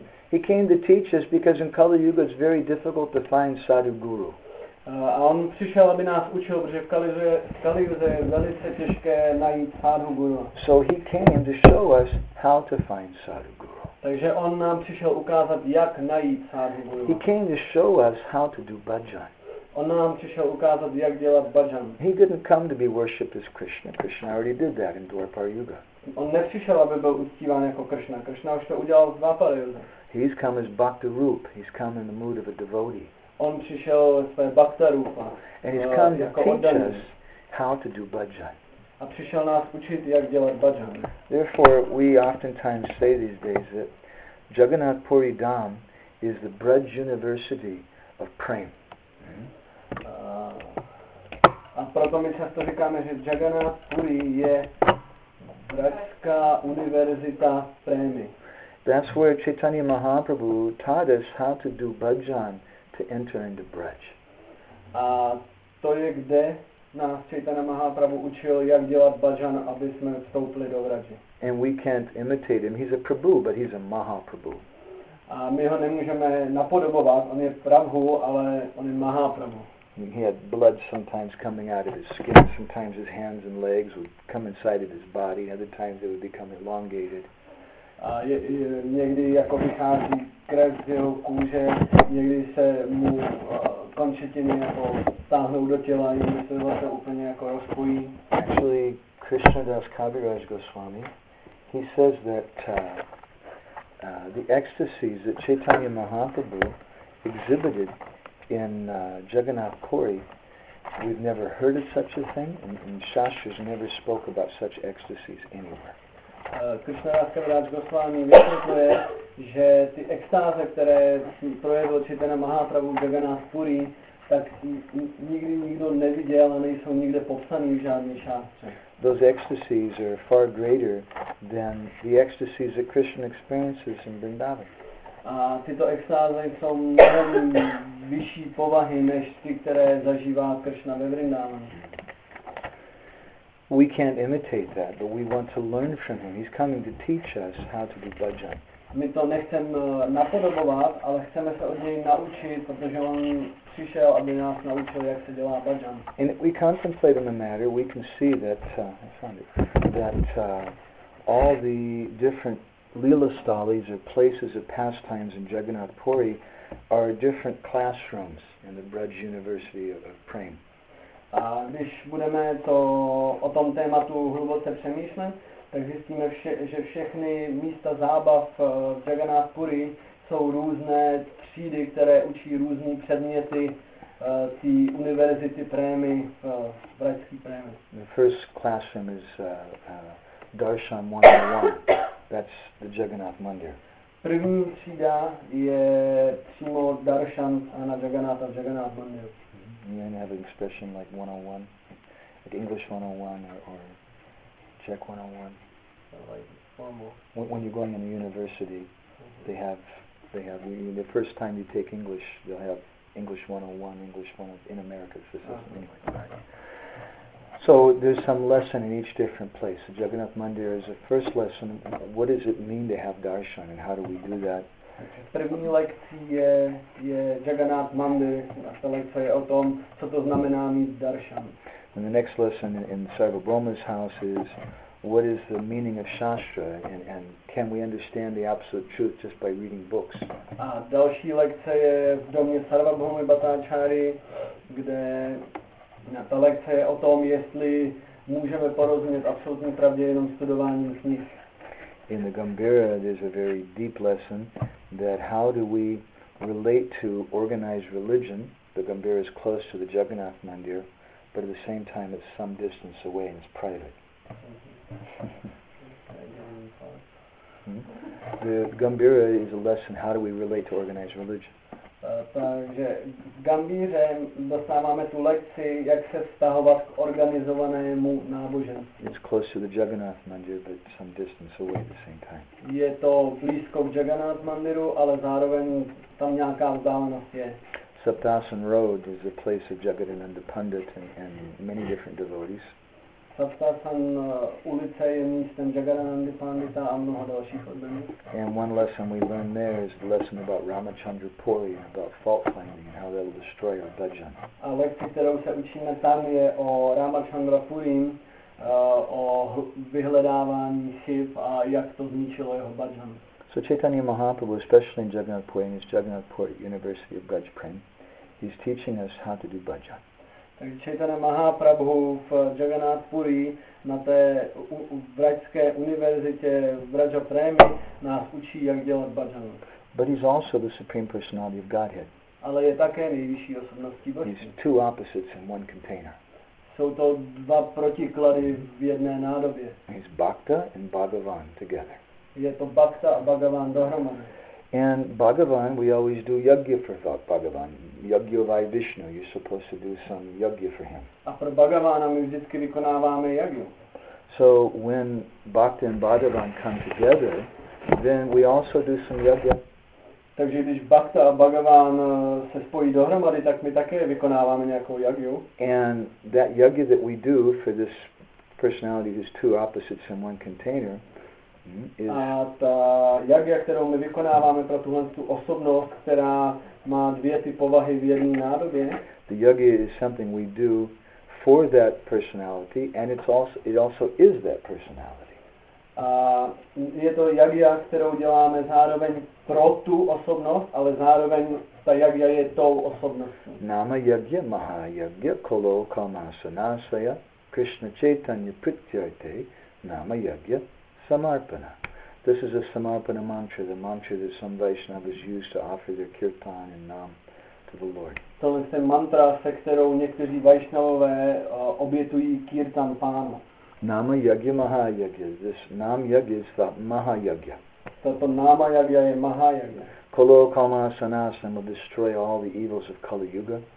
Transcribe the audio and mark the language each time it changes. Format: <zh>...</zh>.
<en>He came to teach us because in Kali Yuga it's very difficult to find sadhu guru.</en> <cs>On přišel, aby nás učil, protože v Kali Yuze je velice těžké najít sadhu guru.</cs> <en>So he came to show us how to find sadhu guru.</en> <cs>Takže on nám přišel ukázat, jak najít sadhu guru.</cs> <en>He came to show us how to do bhajan.</en> <cs>On nám přišel ukázat, jak dělat bhajan.</cs> <en>He didn't come to be worshipped as Krishna. Krishna already did that in Dwapara Yuga.</en> <cs>On nepřišel, aby byl uctíván jako Krishna. Krishna už to udělal v Dwapara Yuga.</cs> <en>He's come as Bhakti Rup. He's come in the mood of a devotee.</en> <cs>on přišel své Bhakta Rupa.</cs> <en>And he's come to teach us how to do bhajan.</en> <cs>A přišel nás učit, jak dělat bhajan.</cs> <en>Therefore, we oftentimes say these days that Jagannath Puri Dham is the Braj University of Prem.</en> <cs>A proto my často říkáme, že Jagannath Puri je Bratská univerzita Prémy.</cs> <en>That's where Chaitanya Mahaprabhu taught us how to do bhajan to enter into Braj.</en> <cs>A to je, kde nás Chaitanya Mahaprabhu učil, jak dělat bhajan, aby jsme vstoupili do Braj.</cs> <en>And we can't imitate him. He's a Prabhu, but he's a Mahaprabhu.</en> <cs>A my ho nemůžeme napodobovat. On je Prabhu, ale on je Mahaprabhu.</cs> <en>He had blood sometimes coming out of his skin. Sometimes his hands and legs would come inside of his body. Other times they would become elongated.</en> <cs>Někdy jako vychází krev z jeho kůže, někdy se mu končetiny jako stáhnou do těla, někdy se zase úplně jako rozpojí.</cs> <en>Actually, Krishnadas Kaviraj Goswami, he says that the ecstasies that Chaitanya Mahaprabhu exhibited in Jagannath Puri, we've never heard of such a thing, and Shastras never spoke about such ecstasies anywhere.</en> <cs>Krishnadas Kaviraj Goswami vysvětluje, že ty extáze, které projevil Chaitanya Mahaprabhu Jagannath Puri, tak nikdy nikdo neviděl a nejsou nikde popsaný v žádný šástře.</cs> <en>Those ecstasies are far greater than the ecstasies that Krishna experiences in Vrindavan.</en> <cs>A tyto extáze jsou mnohem vyšší povahy než ty, které zažívá Krishna ve Vrindavanu.</cs> <en>We can't imitate that, but we want to learn from him. He's coming to teach us how to do bhajan.</en> <cs>My to nechceme napodobovat, ale chceme se od něj naučit, protože on přišel, aby nás naučil, jak se dělá bhajan.</cs> <en>And if we contemplate on the matter, we can see that all the different lila stalis or places of pastimes in Jagannath Puri are different classrooms in the Braj University of Prem.</en> <cs>A když budeme to o tom tématu hluboce přemýšlet, tak zjistíme, že všechny místa zábav v Jagannath Puri jsou různé třídy, které učí různé předměty té univerzity Prémy v Bratské Prémy.</cs> <en>The first classroom is Darshan 101. That's the Jagannath Mandir.</en> <cs>První třída je přímo Darshan na Jagannatha, Jagannath Mandir.</cs> <en>You may have an expression like 101, like English 101 or Czech 101. Like formal. When you're going in a university, they have the first time you take English, they'll have English 101, English 101 in America, if this isn't English. Right. So there's some lesson in each different place. The Jagannath Mandir is the first lesson. What does it mean to have darshan and how do we do that?</en> <cs>První lekcí je Jagannath Mandir, a ta lekce je o tom, co to znamená mít darshan.</cs> <en>And the next lesson in Sarva Brahma's house is, what is the meaning of Shastra, and can we understand the absolute truth just by reading books?</en> <cs>A další lekce je v domě Sarva Brahmy Bhattachary, kde ta lekce je o tom, jestli můžeme porozumět absolutní pravdě jenom studováním knih.</cs> <en>In the Gambira, there's a very deep lesson that how do we relate to organized religion. The Gambira is close to the Jagannath Mandir, but at the same time it's some distance away and it's private. The Gambira is a lesson, how do we relate to organized religion.</en> <cs>Takže v Gambíře dostáváme tu lekci, jak se vztahovat k organizovanému náboženství.</cs> <en>It's close to the Jagannath Mandir, but some distance away at the same time.</en> <cs>Je to blízko k Jagannath Mandiru, ale zároveň tam nějaká vzdálenost je.</cs> <en>Saptasan Road is a place of Jagadananda Pandit and many different devotees.</en> <cs>Saptasan ulice je místem Jagadananda Pandita a mnoho dalších odmenů.</cs> <en>And one lesson we learn there is the lesson about Ramachandra Puri, about fault finding and how that will destroy our bhajan.</en> <cs>A lekci, kterou se učíme tam, je o Ramachandra Purim, o vyhledávání chyb a jak to zničilo jeho bhajan.</cs> <en>So Chaitanya Mahaprabhu, especially in Jagannath Puri, in his Jagannath Puri University of Braj Prem, he's teaching us how to do bhajan.</en> <cs>Takže Chaitanya Mahaprabhu v Jagannath Puri na té Vrajské univerzitě v Braja Prémy nás učí, jak dělat bhajan.</cs> <en>But he's also the Supreme Personality of Godhead.</en> <cs>ale je také nejvyšší osobností Božství.</cs> <en>It's two opposites in one container.</en> <cs>Jsou to dva protiklady v jedné nádobě.</cs> <en>It's Bhakta and Bhagavan together.</en> <cs>Je to Bhakta a Bhagavan dohromady.</cs> <en>And Bhagavan, we always do yagya for Bhagavan.</en> <sa>Yagya vai Vishnu,</sa> <en>you're supposed to do some yagya for him.</en> <cs>A pro Bhagavana my vždycky vykonáváme yagyu.</cs> <en>So when Bhakta and Bhagavan come together, then we also do some yagya.</en> <cs>Takže když Bhakta a Bhagavan se spojí dohromady, tak my také vykonáváme nějakou yagyu.</cs> <en>And that yagya that we do for this personality, these two opposites in one container, is</en> <cs>a ta yagya, kterou my vykonáváme pro tuhle tu osobnost, která má dvě ty povahy v jedné nádobě.</cs> <en>The yagya is something we do for that personality, and it also is that personality.</en> <cs>A je to yagya, kterou děláme zároveň pro tu osobnost, ale zároveň ta yagya je tou osobností.</cs> <sa>Nama yagya mahayagya kolo kamasanasaya krishna chaitanya prityate nama yagya samarpana.</sa> <en>This is a samarpana mantra, the mantra that some Vaishnavas use to offer their kirtan and nam to the Lord.</en> <cs>Tohle je mantra, se kterou někteří Vaishnavové obětují kirtan pánu.</cs> <sa>Nama yagya mahayagya.</sa> <en>This nam yagya is the mahayagya.</en> <cs>Toto nama yagya je mahayagya.</cs> <sa>Kolo kama sanasana</sa> <en>will destroy all the evils of Kali Yuga.</en>